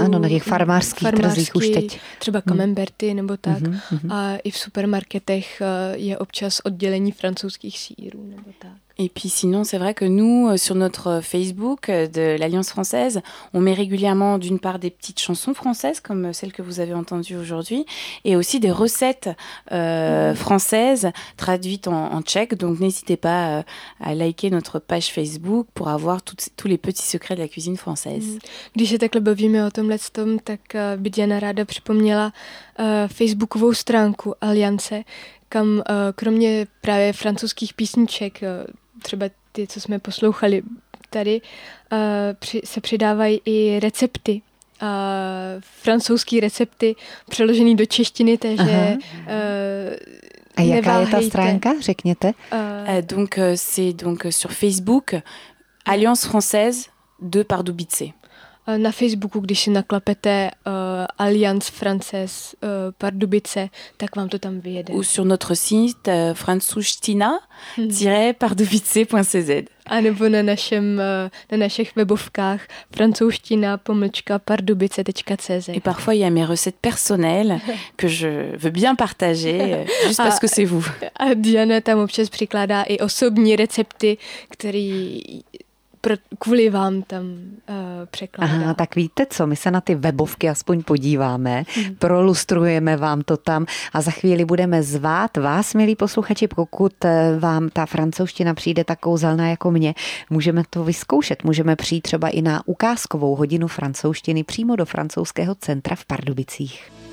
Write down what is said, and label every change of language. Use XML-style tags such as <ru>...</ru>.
<cs>Ano, na těch farmářských trzích už teď. Třeba kamemberty nebo tak. A i v supermarketech je občas oddělení francouzských sýrů nebo tak.</cs> <fr>Et puis sinon, c'est vrai que nous, sur notre Facebook de l'Alliance française, on met régulièrement d'une part des petites chansons françaises, comme celles que vous avez entendues aujourd'hui, et aussi des recettes françaises traduites en tchèque. Donc n'hésitez pas à liker notre page Facebook pour avoir tous les petits secrets de la cuisine française.</fr> <cs>Když se takhle bavíme o tomhle tom, tak by Diana ráda připomněla facebookovou stránku Aliance, kam kromě právě francouzských písniček, třeba ty, co jsme poslouchali tady, se přidávají i recepty. Francouzské recepty přeložené do češtiny, takže A jaká je ta stránka, řekněte?</cs> <fr>Donc c'est donc sur Facebook Alliance Française de Pardubice.</fr> <cs>Na Facebooku, když si naklepete Alliance Française Pardubice, tak vám to tam vyjede.</cs> <fr>Ou sur notre site francouzština-pardubice.cz.</fr> <cs>A nebo na našich webovkách francouzština-pardubice.cz.</cs> <fr>Et parfois il y a mes recettes personnelles que je veux bien partager juste parce que c'est vous.</fr> <cs>A Diana tam občas přikládá i osobní recepty, které kvůli vám tam překládá. Aha, tak víte co, my se na ty webovky aspoň podíváme, prolustrujeme vám to tam a za chvíli budeme zvát vás, milí posluchači, pokud vám ta francouzština přijde tak kouzelná jako mě, můžeme to vyzkoušet, můžeme přijít třeba i na ukázkovou hodinu francouzštiny přímo do francouzského centra v Pardubicích.</cs>